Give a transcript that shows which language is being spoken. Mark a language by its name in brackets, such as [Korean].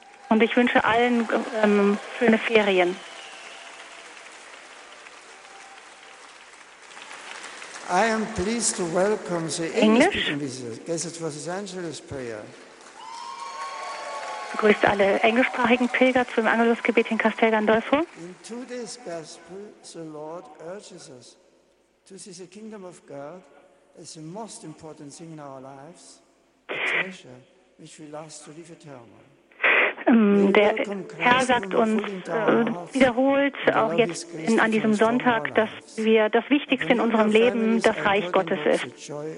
[German] Und ich wünsche allen schöne Ferien. [English] I am pleased to welcome the English-speaking visitors gathered for this Angelus prayer. [German] Grüßt alle englischsprachigen Pilger zum Angelusgebet in Castel Gandolfo. [English] In today's Gospel, the Lord urges us to see the kingdom of God as the most important thing in our lives, the treasure which we last to live eternally. [German] Der Herr sagt uns wiederholt, auch jetzt an diesem Sonntag, dass wir das Wichtigste in unserem Leben das Reich Gottes ist.